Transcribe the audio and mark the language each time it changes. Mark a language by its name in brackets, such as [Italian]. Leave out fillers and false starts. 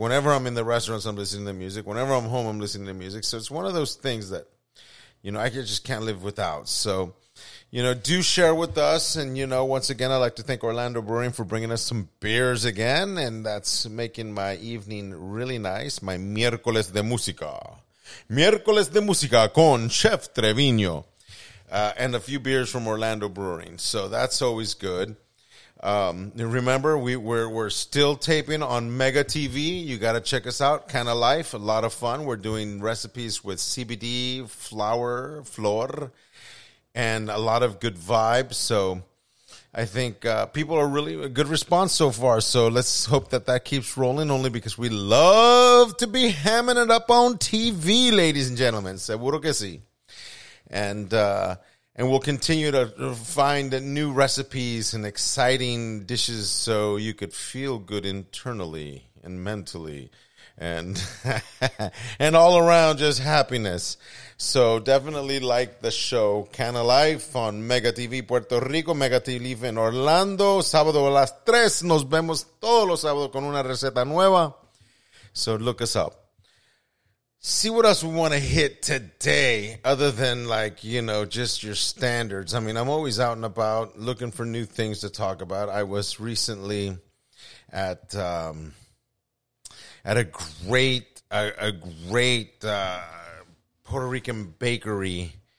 [English] Whenever I'm in the restaurants, I'm listening to music. Whenever I'm home, I'm listening to music. So it's one of those things that, you know, I just can't live without. So, you know, do share with us. And, you know, once again, I'd like to thank Orlando Brewing for bringing us some beers again. And that's making my evening really nice. [Spanish] My miércoles de música. Miércoles de música con Chef Treviño. [English] And a few beers from Orlando Brewing. So that's always good. Remember, we're still taping on Mega TV. You got to check us out. Kind of Life, a lot of fun. We're doing recipes with CBD, flor, and a lot of good vibes. So I think people are really a good response so far. So let's hope that keeps rolling, only because we love to be hamming it up on TV, ladies and gentlemen. [Spanish] Seguro que sí. [English] And we'll continue to find new recipes and exciting dishes so you could feel good internally and mentally and and all around just happiness. So definitely like the show Can of Life on Mega TV Puerto Rico, Mega TV Life in Orlando. [Spanish] Sábado a las tres. Nos vemos todos los sábados con una receta nueva. [English] So look us up. See what else we want to hit today, other than, like, you know, just your standards. I mean, I'm always out and about looking for new things to talk about. I was recently at a great Puerto Rican bakery.